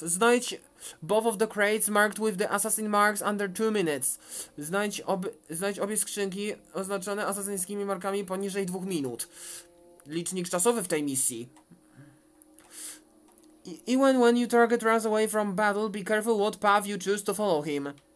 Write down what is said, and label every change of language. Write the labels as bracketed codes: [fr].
[en] Znajdź both of the crates marked with the assassin marks under 2 minutes. [pl] Znajdź obie skrzynki oznaczone asasyńskimi markami poniżej 2 minut. Licznik czasowy w tej misji. [en] Even when your target runs away from battle, be careful what path you choose to follow him.